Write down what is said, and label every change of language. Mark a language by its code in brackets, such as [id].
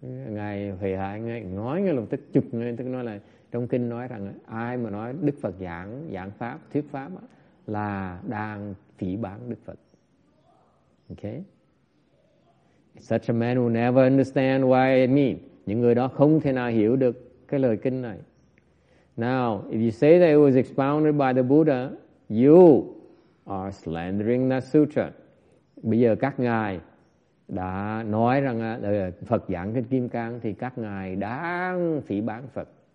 [vi] Ngài Hủy Hải ngay, nói ngay lập tức, chụp ngay tức nói là, trong kinh nói rằng, ai mà nói Đức Phật giảng, giảng Pháp, thuyết Pháp, là đang phỉ báng Đức Phật. Okay? [en] Such a man will never understand why it means. [vi] Những người đó không thể nào hiểu được cái lời kinh này. [en] Now, if you say that it was expounded by the Buddha, you are slandering that sutra. [vi] Bây giờ các ngài đã nói rằng Phật giảng kinh Kim Cang thì các ngài đang phỉ báng Phật.